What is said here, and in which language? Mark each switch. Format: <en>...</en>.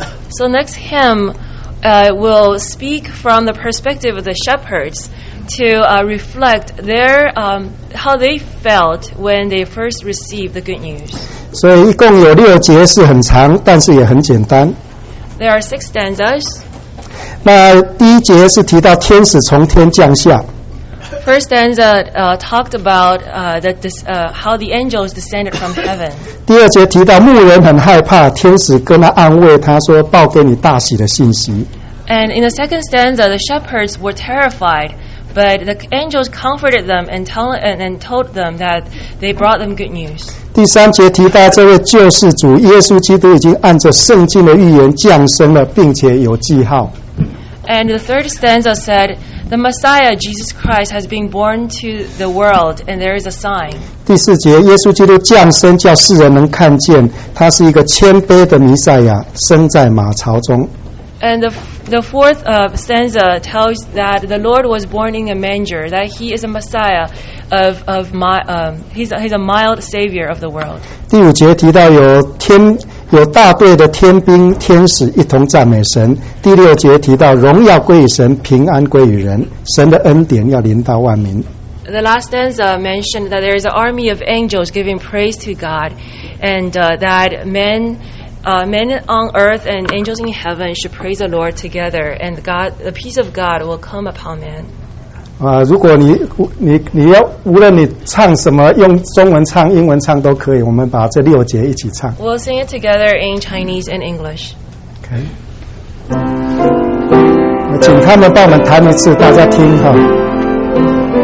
<en>So next hymn will speak from the perspective of the shepherds to reflect their how they felt when they first received the good news.</en> <zh>所以一共有六节，是很长，但是也很简单。</zh> <en>There are six stanzas.</en> <zh>那第一节是提到天使从天降下。</zh> <en>First stanza talked about how the angels descended from heaven.</en> <zh>第二节提到牧人很害怕，天使跟他安慰他说，报给你大喜的信息。</zh> <en>And in the second stanza, the shepherds were terrified, But the angels comforted them and told them that they brought them good news.</en> <zh>第三节提到这位救世主耶稣基督已经按着圣经的预言降生了，并且有记号。</zh> <en>And the third stanza said, the Messiah, Jesus Christ, has been born to the world, and there is a sign.</en> <zh>第四节，耶稣基督降生，叫世人能看见，他是一个谦卑的弥赛亚，生在马槽中。</zh> <en>And the fourth stanza tells that the Lord was born in a manger, that he is a Messiah he's a mild savior of the world.</en> <zh>第五节提到有大队的天兵天使一同赞美神。第六节提到荣耀归于神，平安归于人，神的恩典要临到万民。</zh> <en>The last stanza mentioned that there is an army of angels giving praise to God, and that men on earth and angels in heaven should praise the Lord together, and the peace of God will come upon man.</en> <zh>啊，如果你要无论你唱什么，用中文唱、英文唱都可以。我们把这六节一起唱。</zh> <en>We'll sing it together in Chinese and English. Okay.</en> <zh>请他们帮我们弹一次，大家听哈。</zh>